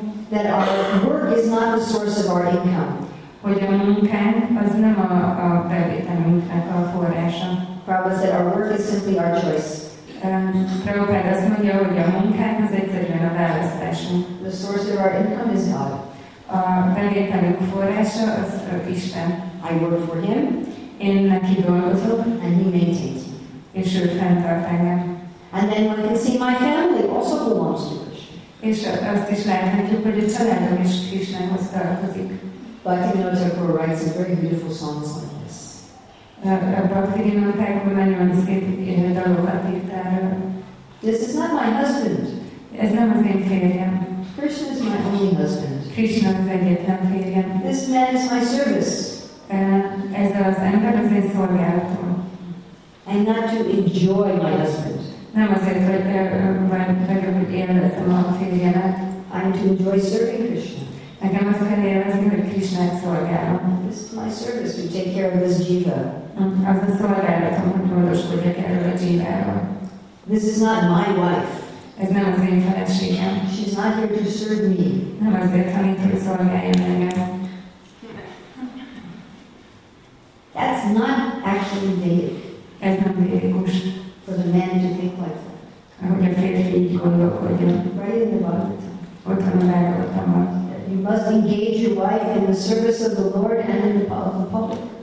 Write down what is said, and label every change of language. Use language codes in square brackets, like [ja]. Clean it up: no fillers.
[en] That our work is not the source of our income. [hu] Hogy a munkánk az nem a bevételünknek a forrása. [en] Prabhupada said our work is simply our choice. [hu] Prabhupada azt mondja, hogy a munkánk az egyszerűen a választásunk. [en] The source of our income is God. [hu] A bevételünk forrása az Isten. [en] I work for him. [hu] Én neki dolgozok. [en] And he maintains. [hu] És ő fenntart engem. [en] And then one can see my family also belongs to us. [hu] És azt is láthatjuk, hogy a családom is Krishnához tartozik. [en] Bhaktivinoda Thakura writes a very beautiful songs like this. [hu] Bhaktivinoda Thakura nagyon szép dalokat írt erről. [en] This is not my husband. [hu] Ez nem az én férjem. [en] Krishna is my only husband. [hu] Krishna az egyetlen férjem. [en] This man is my service. [hu] Ez az ember az én szolgálatom. [en] And not to enjoy my husband. [hu] Nem azért, hogy élvezem a férjemet. [en] I'm to enjoy serving Krishna. [hu] Nekem azt kell élvezni, hogy Krishnát szolgálom. [en] This is my service to take care of this jiva. [hu] Az a szolgálatom, hogy gondoskodjak erről a jivával. [en] This is not my wife. [hu] Ez nem az én feleségem. [en] She's not here to serve me. [hu] Nem azért, hanem itt, hogy szolgáljon engem. [en] That's not actually Vedic. [hu] Ez nem Vedikus. [en] For the man to think like that. [hu] Ahogy a férfi így gondolkodjon. [en] Right in the Bhagavatam. [hu] Ott van a Bhagavatamban. [en] You must engage your wife in the service of the Lord and in the public.